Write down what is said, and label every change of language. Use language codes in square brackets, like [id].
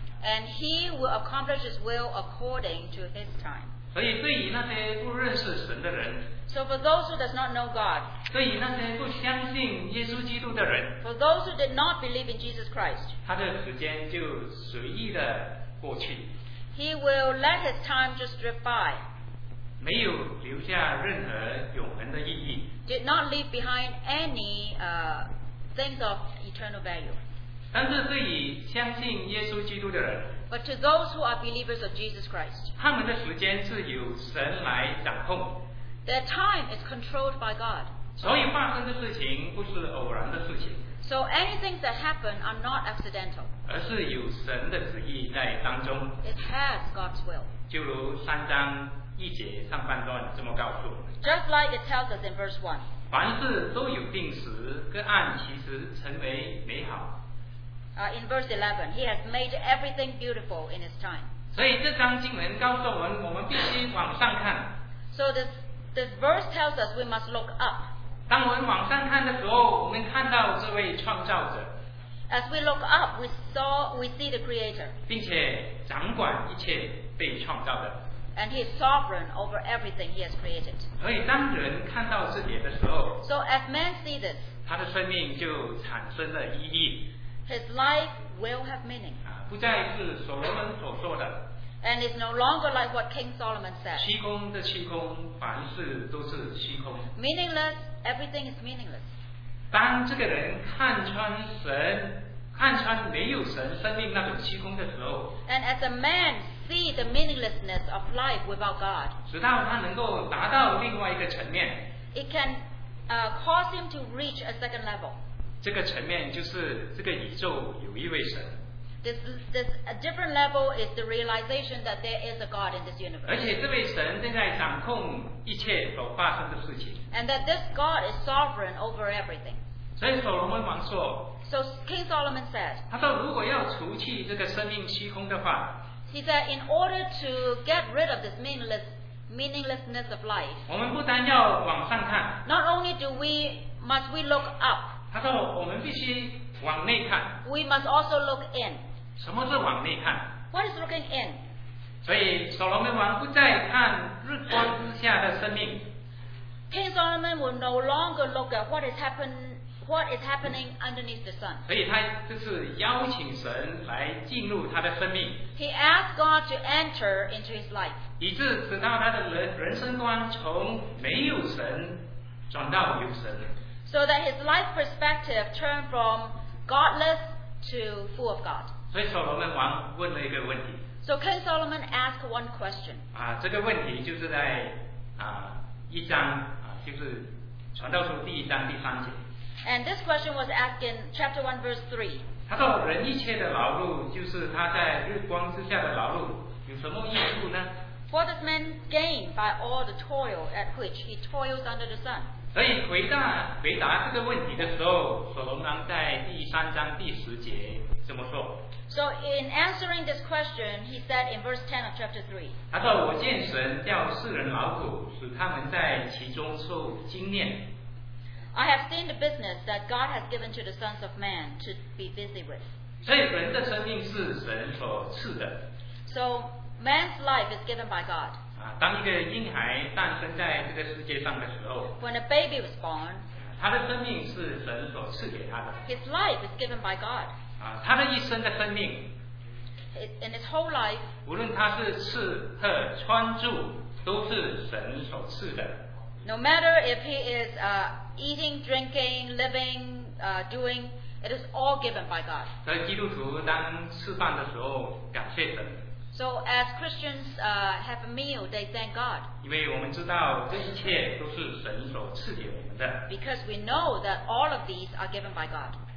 [en] And he will accomplish his will according to his time. [zh] 所以对于那些不认识神的人。 [en] So for those who does not know God. [zh] 对于那些不相信耶稣基督的人。 [en] For those who did not believe in Jesus Christ. [zh] 他的时间就随意的过去。 [en] He will let his time just drift by. [zh] 没有留下任何永恒的意义。 [en] Did not leave behind any things of eternal value. [zh] 但是对于相信耶稣基督的人。 [en] But to those who are believers of Jesus Christ. [zh] 他们的时间是由神来掌控。 [en] Their time is controlled by God. [zh] 所以发生的事情不是偶然的事情。 [en] So anything that happen are not accidental. [zh] 而是有神的旨意在当中。 [en] It has God's will. [zh] 就如三章一节上半段这么告诉。 [en] Just like it tells us in verse 1. [zh] 凡事都有定时，各按其时成为美好。 [en] In verse 11, he has made everything beautiful in his time. [zh] 所以这章经文告诉我们，我们必须往上看。 [en] So this verse tells us we must look up. [zh] 当我们往上看的时候，我们看到这位创造者。 [en] As we look up, we see the Creator. [zh] 并且掌管一切被创造的。 [en] And he is sovereign over everything he has created. [zh] 所以当人看到这点的时候。 [en] So as man see this. [zh] 他的生命就产生了意义。 [en] His life will have meaning. [zh] 不再是所罗门所说的。 [en] And it's no longer like what King Solomon said. [zh] 虚空的虚空，凡事都是虚空。 [en] Meaningless, everything is meaningless. [zh] 当这个人看穿神，看穿没有神生命那种虚空的时候。 [en] And as a man see the meaninglessness of life without God. [zh] 直到他能够达到另外一个层面。 [en] It can cause him to reach a second level. [zh] 这个层面就是这个宇宙有一位神。 [en] This a different level is the realization that there is a God in this universe. [zh] 而且这位神正在掌控一切所发生的事情。 [en] And that this God is sovereign over everything. [zh] 所以所罗门王说。 [en] So King Solomon says. [zh] 他说如果要除去这个生命虚空的话。 [en] He said, in order to get rid of this meaninglessness of life, [zh] 我们不单要往上看, [en] not only must we look up, [zh] 他说我们必须往内看, [en] we must also look in. [zh] 什么是往内看? [en] What is looking in? [zh] 所以所罗门王不再看日光之下的生命。 [en] King Solomon will no longer look at what is happening underneath the sun. [zh] 所以他就是邀请神来进入他的生命。 [en] He asked God to enter into his life. [zh] 以致直到他的人生观从没有神转到有神。 [en] So that his life perspective turned from godless to full of God. [zh] 所以所罗门王问了一个问题。 [en] So King Solomon asked one question. [zh] 这个问题就是在一章就是传道书第一章第三节。 [en] And this question was asked in chapter 1, verse 3. [zh] 他说人一切的劳碌就是他在日光之下的劳碌有什么益处呢？ [en] What does man gain by all the toil at which he toils under the sun? [zh] 所以回答这个问题的时候，所罗门在第三章第十节这么说。 [en] So in answering this question, he said in verse 10 of chapter 3. [zh] 他说我见神叫世人劳苦，使他们在其中受精炼。 [en] I have seen the business that God has given to the sons of man to be busy with. [zh] 所以人的生命是神所赐的。 [en] So man's life is given by God. [zh] 当一个婴孩诞生在这个世界上的时候， [en] When a baby was born, [zh] 他的生命是神所赐给他的。 [en] His life is given by God. [zh] 他的一生的生命， [en] In his whole life, [zh] 无论他是吃喝穿住，都是神所赐的。 [en] No matter if he is eating, drinking, living, doing, it is all given by God. [zh] 在基督徒当吃饭的时候感谢神。 [en] So as Christians have a meal, they thank God. [zh] 因为我们知道这一切都是神所赐给我们的。 [en] Because we know that all of these are given by God.